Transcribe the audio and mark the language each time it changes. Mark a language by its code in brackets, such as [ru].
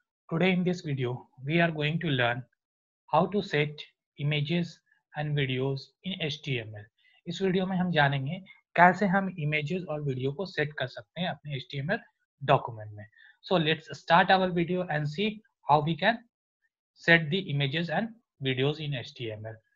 [en] Today in this video, we are going to learn how to set images and videos in HTML. [hi] इस video में हम जानेंगे कैसे हम images और वीडियो को सेट कर सकते हैं अपने HTML document में. [en] So let's start our video and see how we can set the images and videos in HTML.